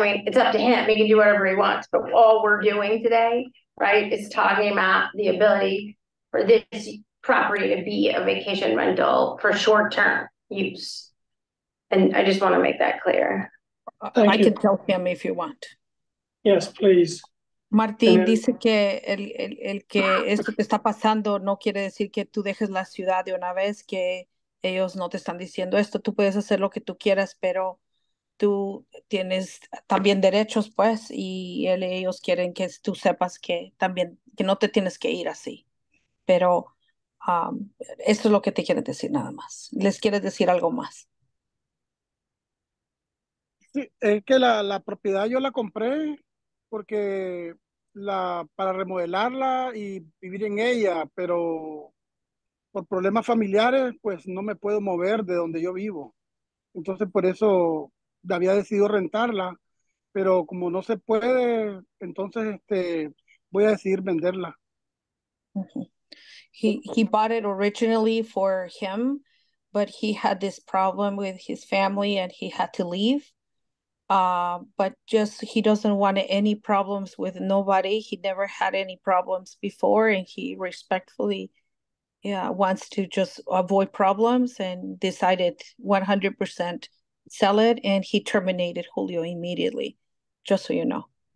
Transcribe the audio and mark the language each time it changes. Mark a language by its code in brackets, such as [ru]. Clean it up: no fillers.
[en] I mean, it's up to him. He can do whatever he wants. But all we're doing today, right, is talking about the ability for this property to be a vacation rental for short-term use. And I just want to make that clear. Thank you. Can tell him if you want. Yes, please. [es] Martín dice que el que esto que está pasando no quiere decir que tú dejes la ciudad de una vez, que ellos no te están diciendo esto. Tú puedes hacer lo que tú quieras, pero tú tienes también derechos, pues, y ellos quieren que tú sepas que también, que no te tienes que ir así. Pero esto es lo que te quieren decir nada más. ¿Les quieres decir algo más? Es que la propiedad yo la compré porque para remodelarla y vivir en ella, pero por problemas familiares, pues no me puedo mover de donde yo vivo. Entonces, por eso había decidido rentarla, pero como no se puede, entonces voy a decidir venderla. [en] He bought it originally for him, but he had this problem with his family and he had to leave. But he doesn't want any problems with nobody. He never had any problems before, and he respectfully wants to just avoid problems and decided 100% sell it, and he terminated Julio immediately, just so you know.